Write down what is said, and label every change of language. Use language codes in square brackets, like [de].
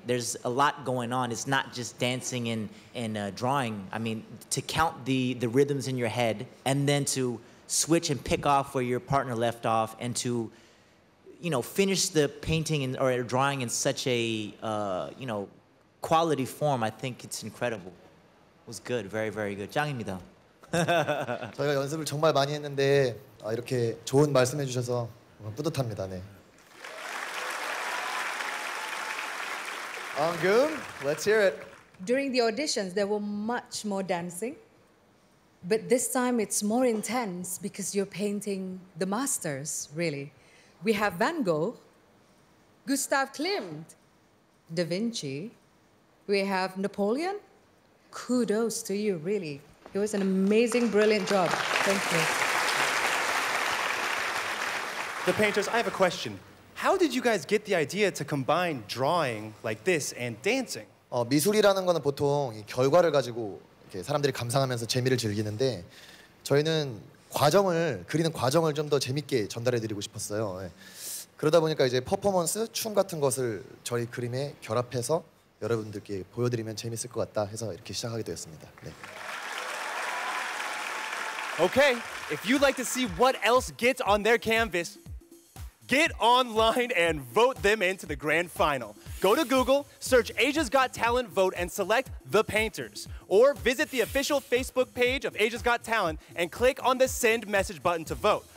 [en] There's a lot going on. It's not just dancing and drawing. I mean, to count the rhythms in your head and then to switch and pick off where your partner left off and to, you know, finish the painting or drawing in such a, you know, quality form. I think it's incredible. It was good, very, very good. [ko] 짱입니다. 저희가 연습을 정말 많이 했는데 이렇게 좋은 말씀해 주셔서 뿌듯합니다. 네. [en] Anggun, let's hear it. During the auditions, there were much more dancing. But this time, it's more intense because you're painting the masters, really. We have Van Gogh, Gustav Klimt, Da Vinci. We have Napoleon. Kudos to you, really. It was an amazing, brilliant job. Thank you. The painters, I have a question. How did you guys get the idea to combine drawing like this and dancing? [ko] 미술이라는 거는 보통 이 결과를 가지고 이렇게 사람들이 감상하면서 재미를 즐기는데 저희는 과정을 그리는 과정을 좀 더 재밌게 전달해 드리고 싶었어요. 예. 그러다 보니까 이제 퍼포먼스, 춤 같은 것을 저희 그림에 결합해서 여러분들께 보여드리면 재밌을 것 같다 해서 이렇게 시작하게 되었습니다. 네. [en] Okay, if you'd like to see what else gets on their canvas, get online and vote them into the grand final. Go to Google, search Asia's Got Talent Vote and select The Painters. Or visit the official Facebook page of Asia's Got Talent and click on the send message button to vote.